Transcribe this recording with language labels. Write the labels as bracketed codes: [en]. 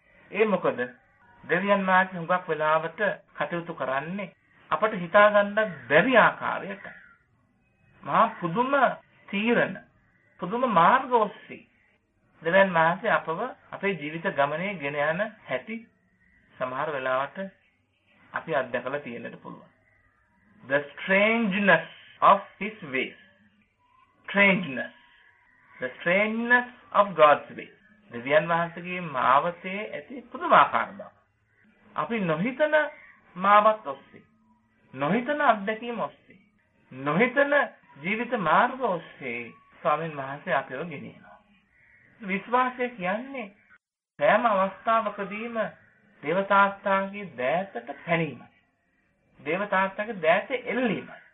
[si] ඒ මොකද දෙවියන් මාත් හුඟක් වෙලාවට කටයුතු කරන්නේ අපට හිතාගන්න බැරි ආකාරයට. මහා පුදුම තීරණ පුදුම මාර්ග ඔස්සේ දෙවියන් මාත් අපව අපේ ජීවිත ගමනේ ගෙන යන හැටි සමහර වෙලාවට අපි අත්දැකලා තියෙන්නට පුළුවන්. [en] The strangeness of his ways. Strangeness. The strangeness of God's ways. [si] දෙවියන් වහන්සේගේ මාවතේ ඇති පුදුමාකාර බව. අපි නොහිතන මාවත් ඔස්සේ නොහිතන අත්දැකීම් ඔස්සේ නොහිතන ජීවිත මාර්ග ඔස්සේ ස්වාමීන් වහන්සේ අපව ගෙනියනවා විශ්වාසය කියන්නේ සෑම අවස්ථාවකදීම දේවතාස්ථාගේ දෑතට පැනීම දේවතාස්ථාගේ දෑත එල්ලීම